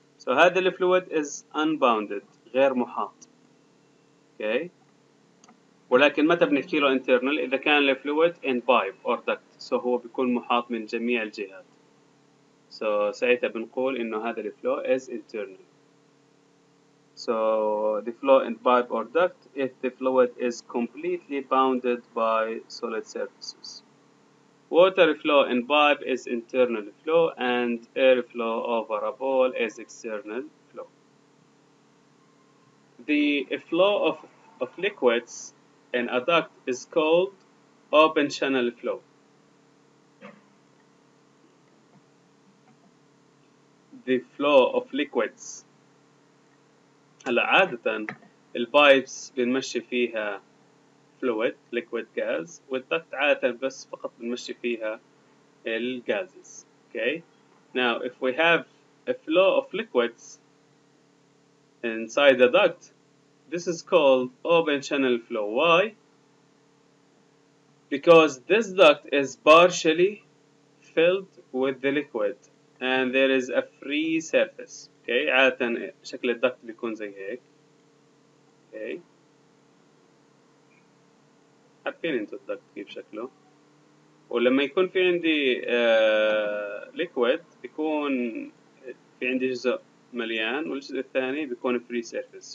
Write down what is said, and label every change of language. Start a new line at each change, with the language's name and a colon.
Arabic: So هذا الفلويد
English: is unbounded,
Arabic: غير محاط. Okay. ولكن متى بنحكي له internal؟ إذا كان الـ
English: fluid in pipe or duct.
Arabic: So هو بيكون محاط من جميع الجهات. So ساعتها بنقول إنه هذا الـ
English: flow is internal. So the flow in pipe or duct if the fluid is completely bounded by solid surfaces. Water flow in pipe is internal flow and air flow over a ball is external flow. The flow of liquids an duct is called open channel flow. The flow of liquids.
Arabic: هلا عادة البايبس بنمشي فيها
English: fluid, liquid gas,
Arabic: والدكت عادة بس فقط بنمشي فيها الغازز.
English: Okay. Now if we have a flow of liquids inside the duct, this is called open channel flow. Why? Because this duct is partially filled with the liquid and there is a free surface.
Arabic: Okay, عادة شكل الدكت بيكون زي هيك.
English: Okay.
Arabic: حابين انتو الدكت كيف شكله. ولما يكون في عندي liquid بيكون في عندي جزء مليان والجزء الثاني بيكون free surface.